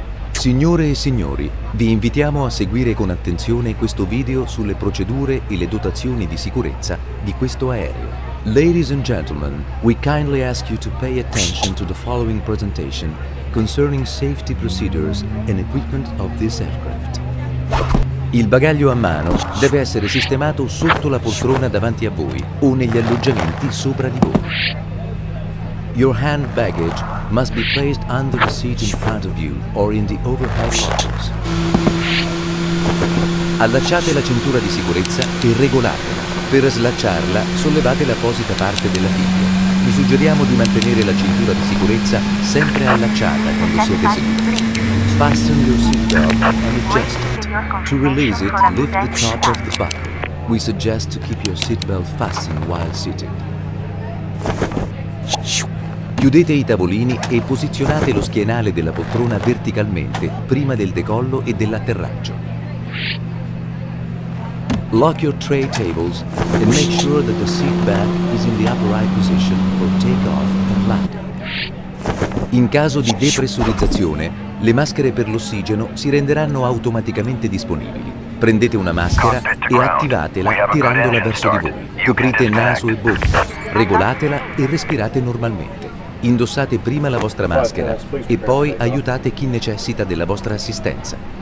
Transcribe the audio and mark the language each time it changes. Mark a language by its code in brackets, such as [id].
[it] Signore e signori, vi invitiamo a seguire con attenzione questo video sulle procedure e le dotazioni di sicurezza di questo aereo. [en] Ladies and gentlemen, we kindly ask you to pay attention to the following presentation concerning safety procedures and equipment of this aircraft. [it] Il bagaglio a mano deve essere sistemato sotto la poltrona davanti a voi o negli alloggiamenti sopra di voi. [en] Your hand baggage must be placed under the seat in front of you or in the overhead lockers. [it] Allacciate la cintura di sicurezza e regolatela. Per slacciarla, sollevate l'apposita parte della fibra. Vi suggeriamo di mantenere la cintura di sicurezza sempre allacciata quando siete seduti. [en] Fasten your seatbelt and adjust it. To release it, lift the top of the buckle. We suggest to keep your seatbelt fastened while sitting. [it] Chiudete i tavolini e posizionate lo schienale della poltrona verticalmente prima del decollo e dell'atterraggio. [en] Lock your tray tables and make sure that the seat back is in the upright position for takeoff and landing. [it] In caso di depressurizzazione, le maschere per l'ossigeno si renderanno automaticamente disponibili. Prendete una maschera e attivatela tirandola verso di voi. Coprite naso e bocca, regolatela e respirate normalmente. Indossate prima la vostra maschera e poi aiutate chi necessita della vostra assistenza.